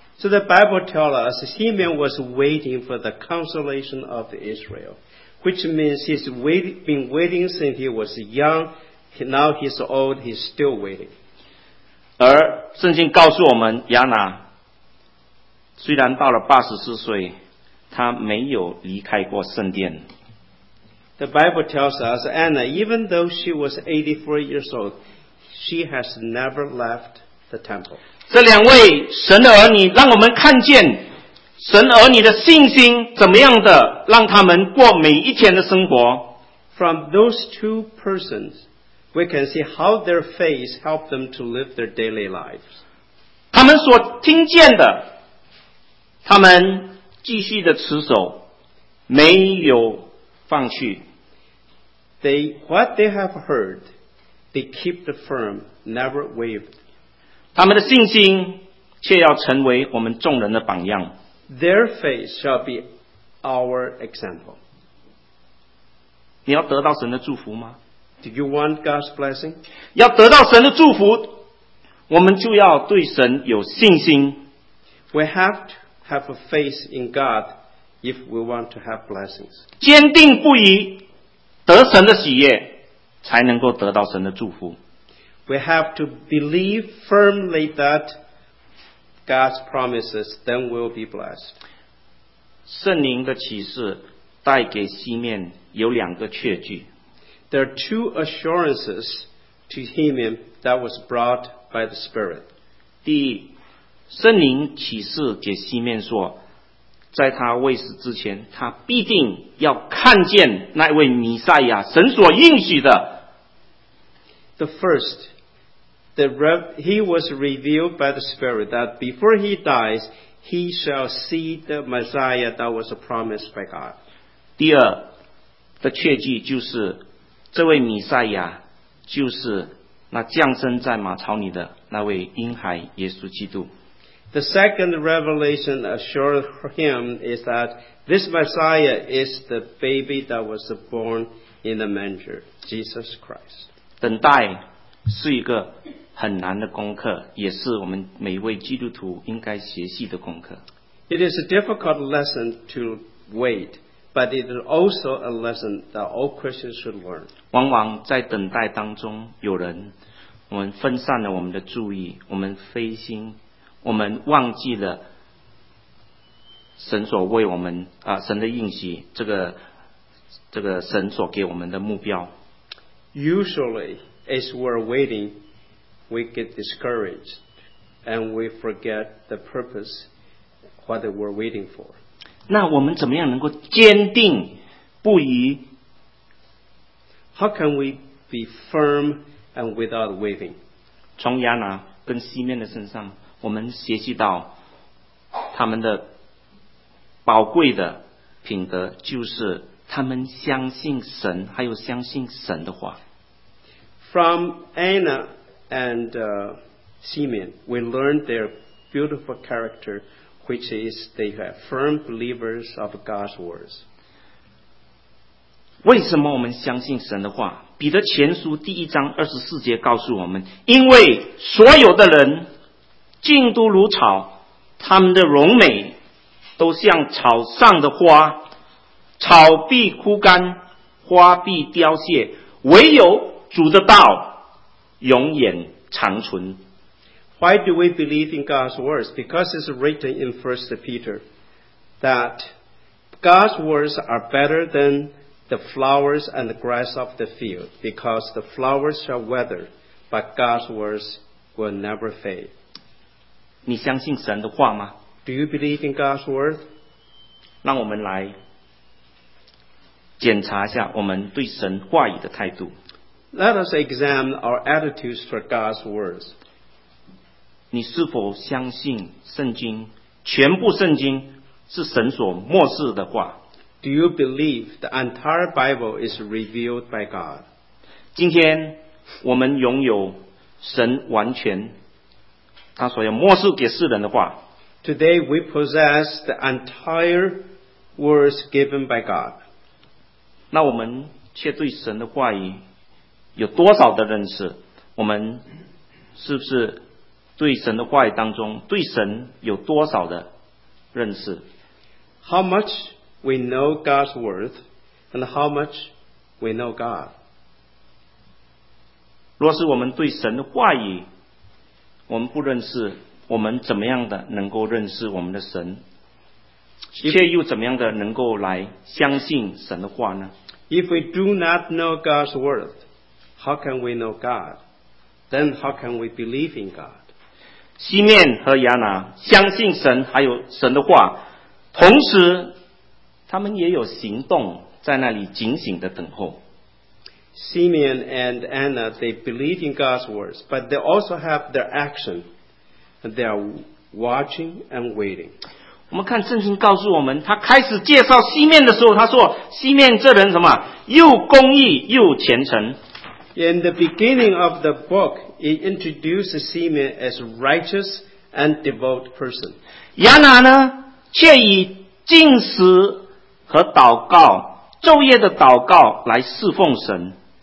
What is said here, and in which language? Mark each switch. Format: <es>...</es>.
<en>So the Bible tells us Simeon was waiting for the consolation of Israel, which means he's been waiting since he was young. Now he's old, he's still waiting.</en> <zh>而圣经告诉我们亚拿虽然到了84岁他没有离开过圣殿。</zh> <en>The Bible tells us Anna, even though she was 84 years old,She has never left the temple.</en> <zh>这两位神的儿女让我们看见神儿女的信心怎么样的让他们过每一天的生活。</zh> <en>From those two persons, we can see how their faith helped them to live their daily lives.</en> <zh>他们所听见的他们继续的持守没有放弃。</zh> <en>What they have heardThey keep the firm, never wavered.</en> <zh>他们的信心却要成为我们众人的榜样。</zh> <en>Their faith shall be our example.</en> <zh>你要得到神的祝福吗？</zh> <en>Do you want God's blessing?</en> <zh>要得到神的祝福，我们就要对神有信心。</zh> <en>We have to have a faith in God if we want to have blessings.</en> <zh>坚定不移得神的喜悦。才能够得到神的祝福。</zh> <en>We have to believe firmly that God's promises, then we'll be blessed.</en> <zh>圣灵的启示带给西面有两个确据。</zh> <en>There are two assurances to him that was brought by the Spirit.</en> <zh>第一，圣灵启示给西面说，在他未死之前，他必定要看见那位弥赛亚，神所应许的。</zh> <en>The first, he was revealed by the Spirit that before he dies, he shall see the Messiah that was promised by God.</en> <zh>第二的确据就是，这位弥赛亚就是那降生在马槽里的那位婴孩耶稣基督。</zh> <en>The second revelation assured him is that this Messiah is the baby that was born in the manger, Jesus Christ.</en> <zh>等待是一个很难的功课，也是我们每一位基督徒应该学习的功课。</zh> <en>It is a difficult lesson to wait, but it is also a lesson that all Christians should learn.</en> <zh>往往在等待当中，有人我们分散了我们的注意，我们灰心。我们忘记了神所为我们啊，神的应许，这个神所给我们的目标。</zh> <en>Usually, as we're waiting, we get discouraged and we forget the purpose what we're waiting for.</en> <zh>那我们怎么样能够坚定不移</zh> <en>？How can we be firm and without wavering?</en> <zh>从亚拿跟西面的身上。我们学习到他们的宝贵的品德，就是他们相信神，还有相信神的话。</zh> <en>From Anna and Simeon, we learn their beautiful character, which is they are firm believers of God's words.</en> <zh>为什么我们相信神的话？彼得前书第一章二十四节告诉我们，因为所有的人进都如草，他们的荣美都像草上的花，草必枯干，花必凋谢，唯有主的道永远长存。</zh> <en>Why do we believe in God's words? Because it's written in 1 Peter that God's words are better than the flowers and the grass of the field, because the flowers shall wither, but God's words will never fade.</en> <zh>你相信神的话吗？</zh> <en>Do you believe in God's word?</en> <zh>让我们来检查一下我们对神话语的态度。</zh> <en>Let us examine our attitudes for God's words.</en> <zh>你是否相信圣经，全部圣经是神所默示的话？</zh> <en>Do you believe the entire Bible is revealed by God?</en> <zh>今天我们拥有神完全他所要默示给世人的话。</zh> <en>Today we possess the entire words given by God.</en> <zh>那我们却对神的话语有多少的认识？我们是不是对神的话语当中对神有多少的认识？</zh> <en>How much we know God's word and how much we know God.</en> <zh>若是我们对神的话语我们不认识，我们怎么样的能够认识我们的神，却又怎么样的能够来相信神的话呢？</zh> <en>If we do not know God's word, how can we know God? Then how can we believe in God?</en> <zh>西面和亚拿相信神还有神的话，同时他们也有行动，在那里警醒的等候。</zh> <en>Simeon and Anna, they believe in God's words, but they also have their action. They are watching and waiting.</en> <zh>我们看圣经告诉我们，他开始介绍西面的时候，他说西面这人什么？又公义又虔诚。</zh> <en>In the beginning of the book, it introduces Simeon as a righteous and devout person.</en> <zh>亚拿呢，却以禁食和祷告，昼夜的祷告来侍奉神。</zh>